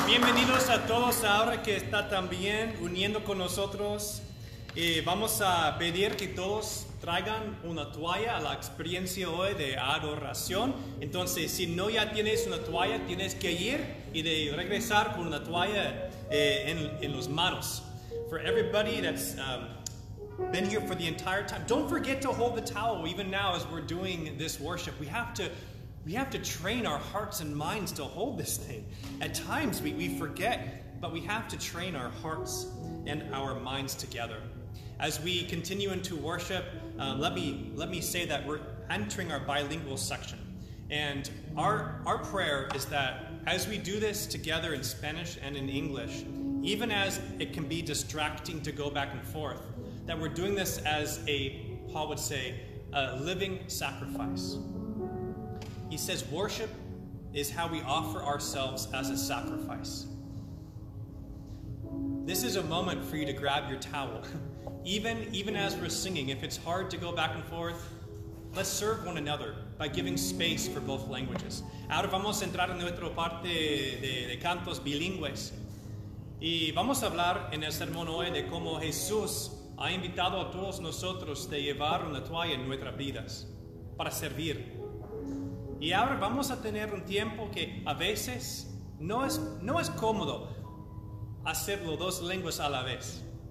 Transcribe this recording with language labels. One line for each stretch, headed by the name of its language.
Spanish: Bienvenidos a todos ahora que está también uniendo con nosotros. Vamos a pedir que todos traigan una toalla a la experiencia hoy de adoración. Entonces, si no ya tienes una toalla, tienes que ir y de regresar con una toalla en los manos.
English: For everybody that's been here for the entire time, don't forget to hold the towel even now as we're doing this worship. We have to train our hearts and minds to hold this thing. At times we forget, but we have to train our hearts and our minds together. As we continue into worship, let me say that we're entering our bilingual section. And our prayer is that as we do this together in Spanish and in English, even as it can be distracting to go back and forth, that we're doing this as Paul would say, a living sacrifice. He says, worship is how we offer ourselves as a sacrifice. This is a moment for you to grab your towel. Even as we're singing, if it's hard to go back and forth, let's serve one another by giving space for both languages.
Spanish: Ahora vamos a entrar en nuestra parte de cantos bilingües. Y vamos a hablar en el sermón hoy de cómo Jesús ha invitado a todos nosotros de llevar una toalla en nuestras vidas para servir. Y ahora vamos a tener un tiempo que a veces no es cómodo hacerlo dos lenguas a la vez.